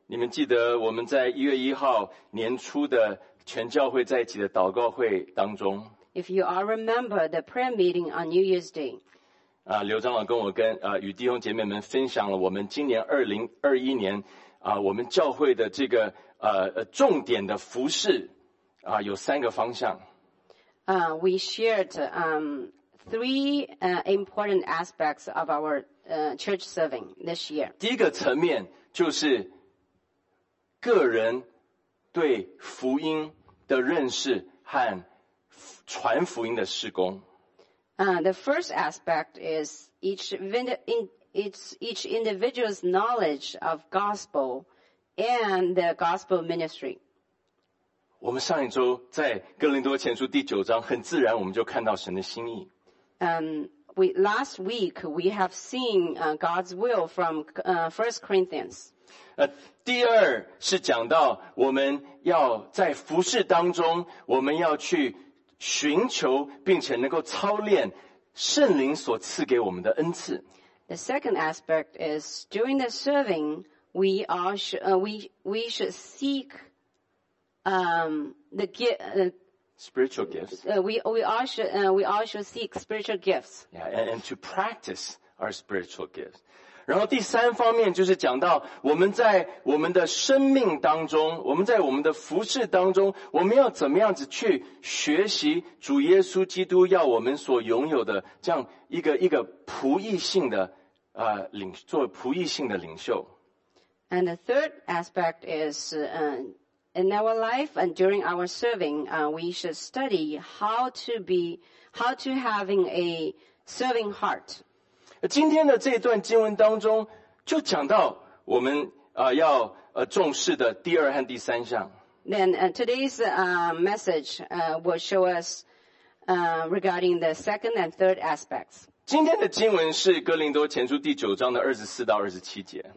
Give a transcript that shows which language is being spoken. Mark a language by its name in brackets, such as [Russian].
[Chinese] 你们记得我们在1月1号年初的全教会在一起的祷告会当中， [English] If you all remember the prayer meeting on New Year's Day, [Chinese] 刘长老跟我跟与弟兄姐妹们分享了我们今年2021年我们教会的这个重点的服事有三个方向。 [English] We shared three important aspects of ourchurch serving this year. [Chinese] 第一个层面就是个人对福音的认识和传福音的事工。 [English] The first aspect is each individual's knowledge of gospel and the gospel ministry. [Chinese] 我们上一周在哥林多前书第九章，很自然我们就看到神的心意。 [English] Last week, we have seen God's will from 1 Corinthians. [Chinese] 第二是讲到我们要在服事当中，我们要去寻求并且能够操练圣灵所赐给我们的恩赐。 [English] The second aspect is during the serving, we should seek the gift. Spiritual gifts. We all should seek spiritual gifts. Yeah, and to practice our spiritual gifts. [Chinese] 然后第三方面就是讲到我们在我们的生命当中，我们在我们的服事当中，我们要怎么样子去学习主耶稣基督要我们所拥有的这样一个仆役性的领袖。 [English] And the third aspect is in our life and during our serving, we should study how to having a serving heart. [Chinese] 今天的这一段经文当中就讲到我们要重视的第二和第三项。 [English] Then today's message will show us regarding the second and third aspects. [Chinese] 今天的经文是哥林多前书第九章的24到27节。